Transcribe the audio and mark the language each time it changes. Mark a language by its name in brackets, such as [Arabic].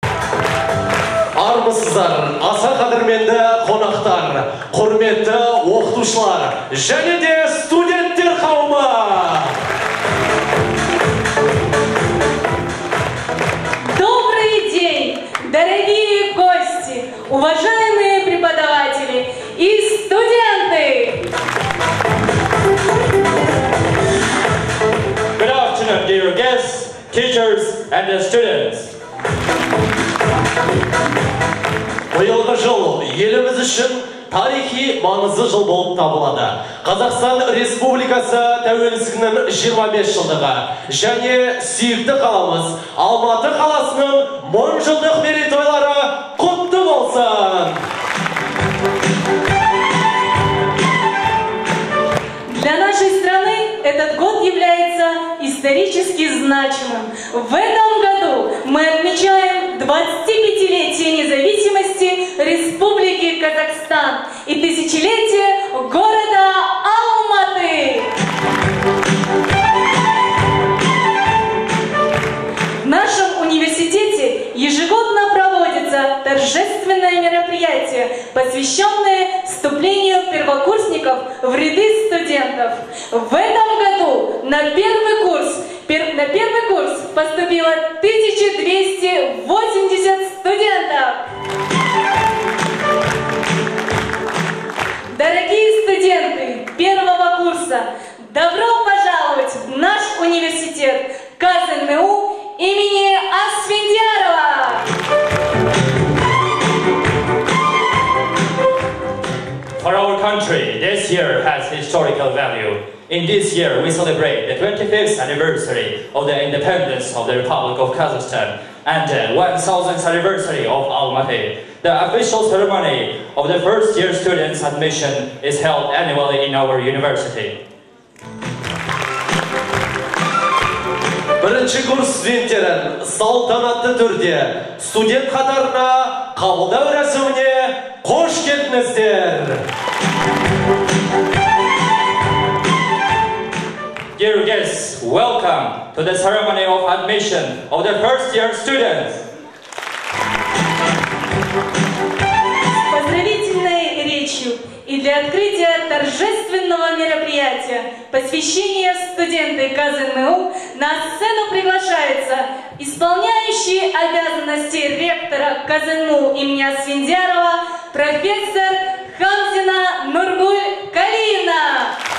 [Kazakh] армысыздар, аса қадірменді қонақтар, құрметті оқытушылар, және де студенттер қауымы! [Russian] Добрый день, дорогие гости, уважаемые преподаватели и студенты! [English] Good afternoon, dear guests, teachers and students! [Kazakh] Биылғы жыл еліміз үшін тарихи маңызды жыл болып табылады. Қазақстан Республикасы тәуелсіздігінің 25 жылдығы және сүйікті қаламыз Алматы қаласының 10 жылдық мерейтойлары құтты болсын! [Russian] Для нашей страны этот год является исторически значимым. В этом году мы отмечаем 25-летие независимости Республики Казахстан и тысячелетие города Алматы. В нашем университете ежегодно проводится торжественное мероприятие, посвященное вступлению первокурсников в ряды студентов. В этом году на первый курс поступило 1280 студентов. Дорогие студенты первого курса, добро пожаловать в наш университет КазНУ имени Асфендиярова! [English] For our country, this year has historical value. In this year, we celebrate the 25th anniversary of the independence of the Republic of Kazakhstan and the 1000th anniversary of Almaty. The official ceremony of the first year students' admission is held annually in our university. [Kazakh] Бірінші курс студенттерін салтанатты түрде студент қатарына қабылдау рәсіміне қош келдіңіздер! [English] Dear guests, welcome to the ceremony of admission of the first year students. [Russian] Поздравительной речью и для открытия торжественного мероприятия посвящения студенты КазНУ на сцену приглашается исполняющий обязанности ректора КазНУ имени Асфендиярова профессор Хамзина Нургуль Калина.